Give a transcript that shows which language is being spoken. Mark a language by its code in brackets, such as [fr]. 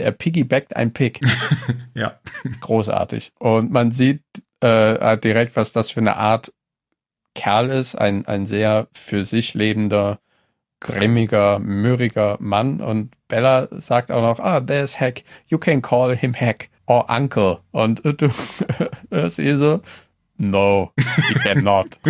[de] Er piggybackt ein Pig. Ja. Großartig. Und man sieht direkt, was das für eine Art Kerl ist, ein sehr für sich lebender, grimmiger, mürriger Mann. Und Bella sagt auch noch, ah, [en] there's Heck. You can call him Heck or Uncle. [de] Und du hörst ihr so, [en] no, he cannot.